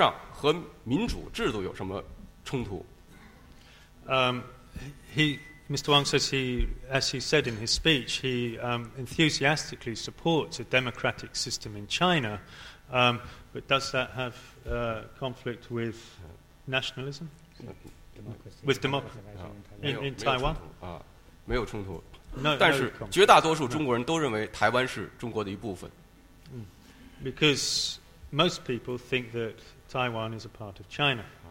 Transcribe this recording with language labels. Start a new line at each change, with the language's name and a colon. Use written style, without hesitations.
Chinese: 刚才我说过，我们非常支持在中国建立一个民主的制度，所以我们谈不上和民主制度有什么冲突。
English: Mr. Wang says as he said in his speech, he enthusiastically supports a democratic system in China, but does that have conflict with nationalism? With democracy in Taiwan?
Chinese: 没有冲突，但是绝大多数中国人都认为台湾是中国的一部分。
English: Because most people think that Taiwan is a part of China.